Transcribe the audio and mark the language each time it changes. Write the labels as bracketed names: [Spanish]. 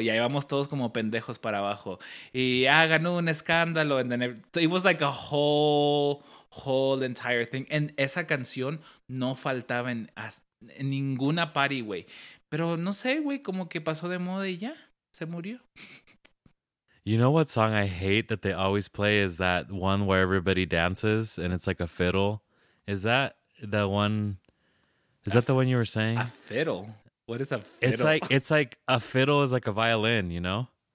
[Spanish] Y ahí vamos todos como pendejos para abajo. Y hagan un escándalo. [English] And then it was like a whole entire thing. [Spanish] And esa canción no faltaba en ninguna party, güey. Pero no sé, güey, como que pasó de moda y ya. Se murió. [English] You know what song I hate that they always play is that one where everybody dances and it's like a fiddle. Is that the one? Is that the one you were saying? A fiddle? What is a fiddle? It's like a fiddle is like a violin, you know?